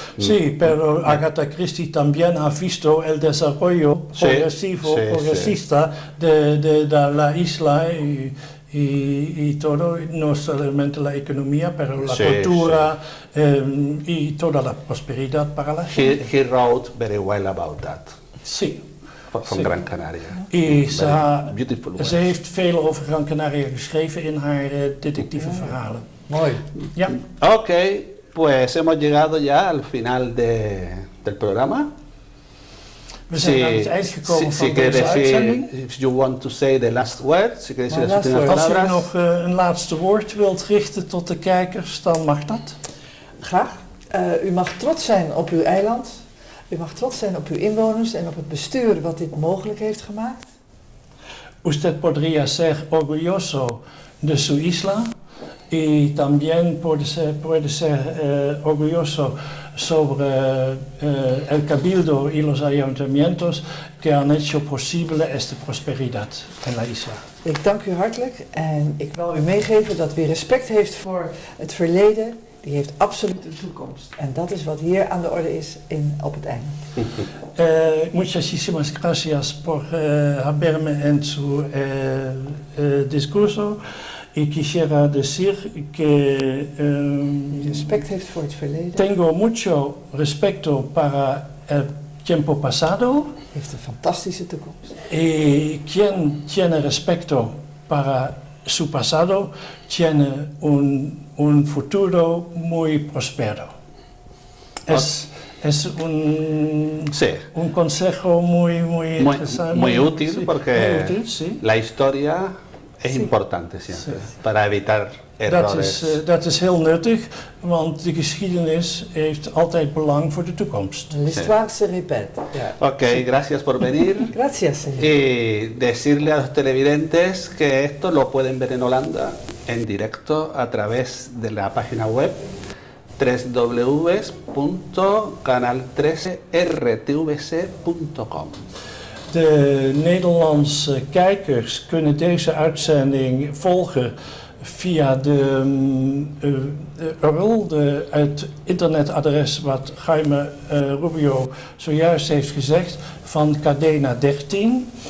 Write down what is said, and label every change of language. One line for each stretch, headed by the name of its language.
Spanish: Sí, pero Agatha Christie también ha visto el desarrollo progresivo, progresista de la isla. Y todo, no solamente la economía, pero la cultura y toda la prosperidad para la gente.
English: He wrote very well about that.
Spanish: Sí.
Dutch: Van Gran Canaria.
Spanish: Y
Dutch: ze heeft veel over Gran Canaria geschreven in haar detectieve verhalen. Mooi. Ja.
Spanish: Oké, pues hemos llegado ya al final del programa.
Dutch: We zijn aan het eind gekomen van deze uitzending.
English: If you want to say the last word,
Dutch: als u nog een laatste woord wilt richten tot de kijkers, dan mag dat. Graag. U mag trots zijn op uw eiland. U mag trots zijn op uw inwoners en op het bestuur wat dit mogelijk heeft gemaakt.
Spanish: Usted podría ser orgulloso de su isla. Y también puede ser orgulloso sobre el cabildo y los ayuntamientos que han hecho posible esta prosperidad en la isla.
Dutch: Ik dank u hartelijk en ik wil u meegeven dat wie respect heeft voor het verleden, die heeft absoluut een toekomst. En dat is wat hier aan de orde is op het eiland.
Spanish: Muchísimas gracias por haberme en su discurso. Y quisiera decir que
Dutch: respect heeft voor het verleden.
Spanish: Tengo mucho respeto para el tiempo pasado.
Dutch: Heeft een fantastische toekomst.
Spanish: Y quien tiene respeto para su pasado tiene un futuro muy próspero. Es un un consejo muy muy interesante, muy útil porque la historia es importante siempre para evitar errores.
Dutch: Dat is heel nuttig, want de geschiedenis heeft altijd belang voor de toekomst.
French: L'histoire se répète.
Spanish: Okay, gracias por venir. Gracias, señor. Y decirle a los televidentes que esto lo pueden ver en Holanda en directo a través de la página web www.canal13rtvc.com.
Dutch: De Nederlandse kijkers kunnen deze uitzending volgen via de URL, het internetadres wat Jaime Rubio zojuist heeft gezegd, van Cadena 13.